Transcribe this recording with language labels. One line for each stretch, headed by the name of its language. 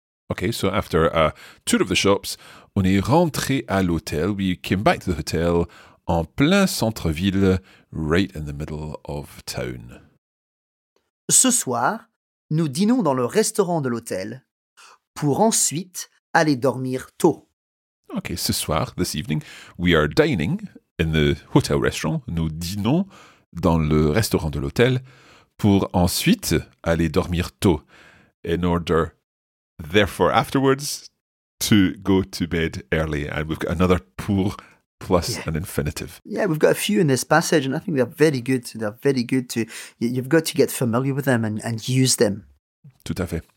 English: Okay, so after a tour of the shops,
French: on est rentré à l'hôtel.
English: We came back to the hotel
French: en plein centre-ville,
English: right in the middle of town.
French: Ce soir, nous dînons dans le restaurant de l'hôtel pour ensuite aller dormir tôt.
English: Okay,
French: ce soir,
English: this evening, we are dining in the hotel restaurant.
French: Nous dînons dans le restaurant de l'hôtel pour ensuite aller dormir tôt.
English: In order, therefore, afterwards, to go to bed early. And we've got another pour plus an infinitive. Yeah, we've got a few in this passage, and I think they're very good. They're very good. You've got to get familiar with them and use them.
French: Tout à fait.